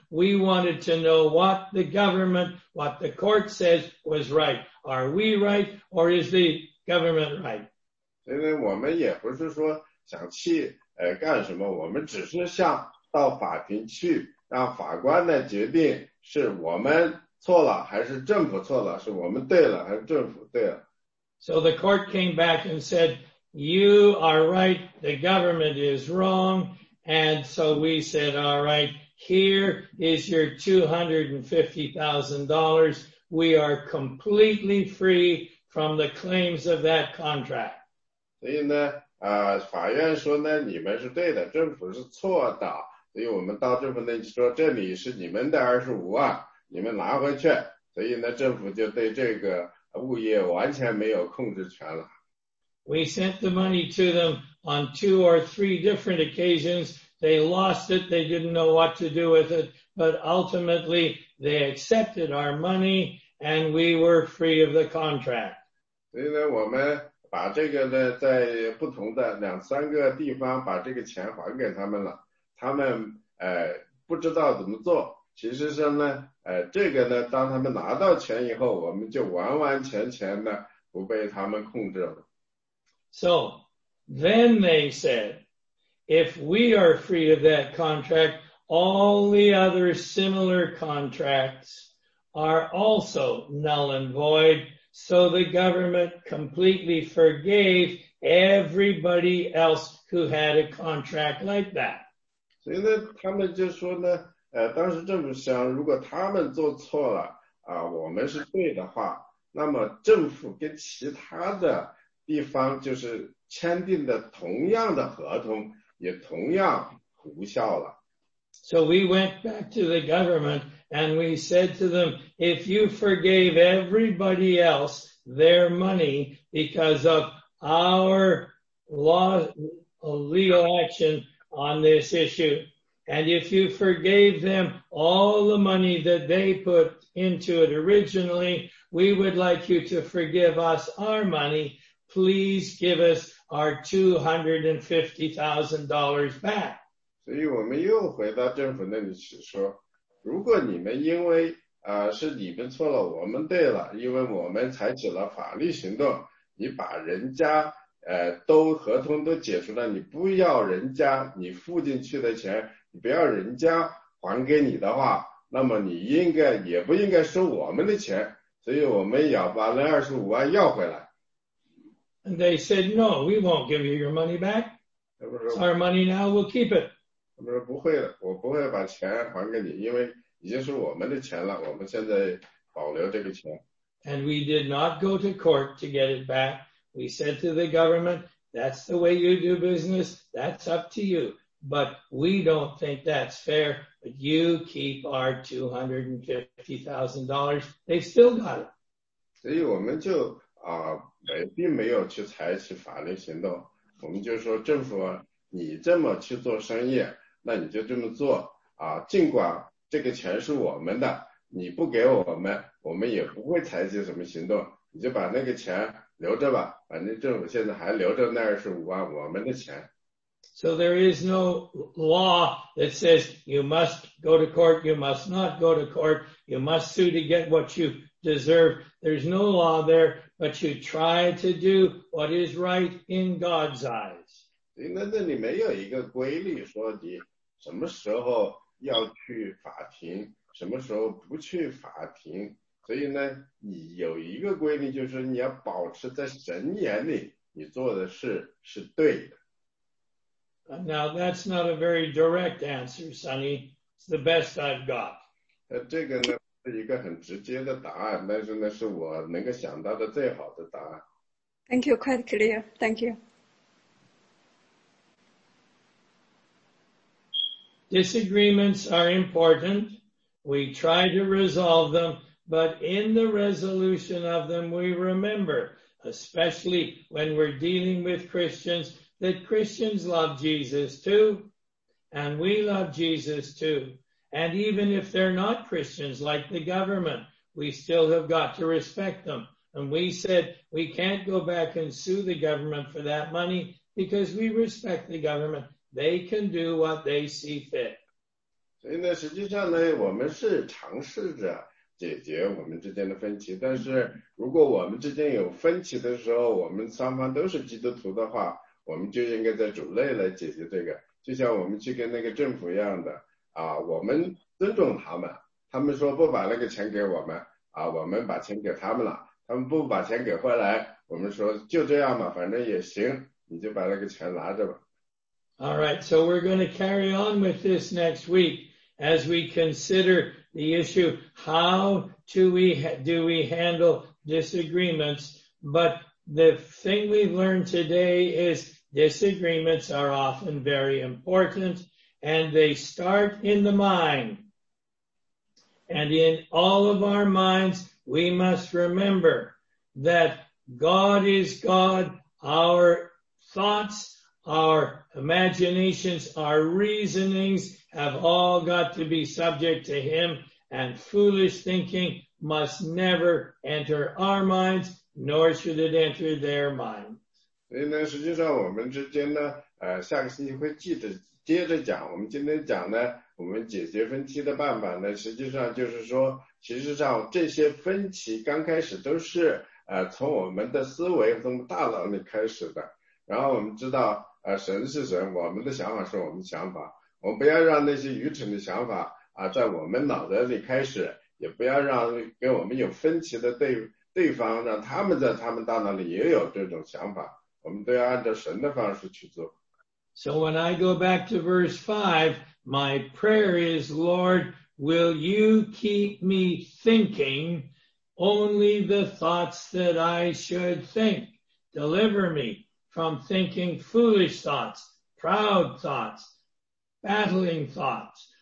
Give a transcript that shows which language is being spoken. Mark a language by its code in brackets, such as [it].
[en] We wanted to know what the government, what the court says was right. Are we right or is the government right? [zh] 因为我们也不是说想去干什么我们只是想到法庭去让法官呢决定是我们错了还是政府错了是我们对了还是政府对了。 [en] So the court came back and said, you are right, the government is wrong. And so we said, all right, here is your $250,000. We are completely free from the claims of that contract. [zh] 所以呢法院说呢你们是对的政府是错的。所以我们到政府那里说这里是你们的25万你们拿回去所以呢政府就对这个物业完全没有控制权了。 [en] We sent the money to them on two or three different occasions. They lost it, they didn't know what to do with it, but ultimately they accepted our money and we were free of the contract. [zh] 所以呢我们把这个呢在不同的两三个地方把这个钱还给他们了。他们不知道怎么做其实上呢这个呢当他们拿到钱以后我们就完完全全的不被他们控制了。 [en] So, then they said, if we are free of that contract, all the other similar contracts are also null and void, so the government completely forgave everybody else who had a contract like that. [zh] 所以呢他们就说呢当时政府想如果他们做错了我们是对的话那么政府跟其他的地方就是签订的同样的合同也同样无效了。 [en] So we went back to the government and we said to them, if you forgave everybody else their money because of our law, legal action,on this issue, and if you forgave them all the money that they put into it originally, We would like you to forgive us our money. Please give us our $250,000 back. [zh] 所以我们又回到政府那里去说，如果你们因为是你们错了，我们对了，因为我们采取了法律行动，你把人家都合同都解除了，你不要人家你付进去的钱，你不要人家还给你的话，那么你应该也不应该收我们的钱，所以我们要把那25万要回来。 [en] And they said, no, we won't give you your money back. It's our money now, we'll keep it. [zh] 他们说不会的，我不会把钱还给你，因为已经是我们的钱了，我们现在保留这个钱。 [en] And we did not go to court to get it back. We said to the government, that's the way you do business, that's up to you. But we don't think that's fair, but you keep our $250,000. They've still got it. [zh] 所以我们就并没有去采取法律行动，我们就说政府，你这么去做生意，那你就这么做尽管这个钱是我们的，你不给我们，我们也不会采取什么行动，你就把那个钱留着吧，反正政府现在还留着那25万我们的钱。 [en] So there is no law that says you must go to court, you must not go to court, you must sue to get what you deserve. There's no law there, but you try to do what is right in God's eyes. [zh] 那里没有一个规律说你什么时候要去法庭，什么时候不去法庭。所以呢，你有一个规律就是你要保持在神眼里你做的事是对的。 [en] Now, that's not a very direct answer, Sonny. It's the best I've got. [zh] 这个呢是一个很直接的答案，但是呢是我能够想到的最好的答案。 [en] Thank you, quite clear. Thank you. Disagreements are important. We try to resolve them, but in the resolution of them, we remember, especially when we're dealing with Christians,that Christians love Jesus too, and we love Jesus too. And even if they're not Christians like the government, we still have got to respect them. And we said we can't go back and sue the government for that money because we respect the government. They can do what they see fit. [zh] 所以呢，实际上呢，我们是尝试着解决我们之间的分歧。但是如果我们之间有分歧的时候，我们双方都是基督徒的话，我们就应该在主内来解决这个，就像我们去跟那个政府一样的我们尊重他们，他们说不把那个钱给我们我们把钱给他们了，他们不把钱给回来，我们说就这样吧，反正也行，你就把那个钱拿着吧。 [en] Alright, so we're going to carry on with this next week as we consider the issue, how do we handle disagreements, butThe thing we've learned today is disagreements are often very important, and they start in the mind. And in all of our minds, we must remember that God is God. Our thoughts, our imaginations, our reasonings have all got to be subject to Him, and foolish thinking must never enter our minds. Nor should it enter their minds. [zh] 所以呢，实际上我们之间呢，下个星期会接着讲。我们今天讲呢，我们解决分歧的办法呢，实际上就是说，其实上这些分歧刚开始都是从我们的思维，从大脑里开始的。然后我们知道，神是神，我们的想法是我们的想法，我们不要让那些愚蠢的想法在我们脑袋里开始，也不要让跟我们有分歧的对方让他们在他们大脑里也有这种想法，我们都要按照神的方式去做。 [en] So when I go back to verse 5, my prayer is, Lord, will you keep me thinking only the thoughts that I should think? Deliver me from thinking foolish thoughts, proud thoughts, battling thoughts.